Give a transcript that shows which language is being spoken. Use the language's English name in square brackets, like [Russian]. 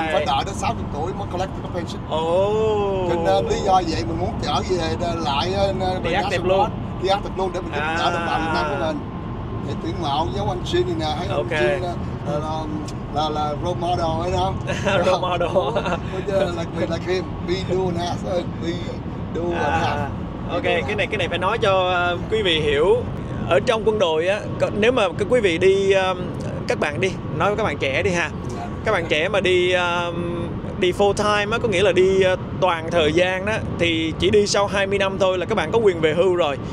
[Vietnamese] Mình phải đợi đến 60 tuổi mới collect the pension. Oh. Cho nên lý do vậy mình muốn trở về lại đi active luôn. Đi active luôn để mình được trở được 30 năm của mình. Để tuyển mạo giống anh Shin này nè, hay anh Shin là role model ấy đó. [English] Role model. like him, be do and have, be do and have. [Vietnamese] Ok, cái này phải nói cho quý vị hiểu. Ở trong quân đội á, nếu mà quý vị đi, các bạn đi, nói với các bạn trẻ đi ha. Các bạn trẻ mà đi đi full time á, có nghĩa là đi toàn thời gian đó, thì chỉ đi sau 20 năm thôi là các bạn có quyền về hưu rồi.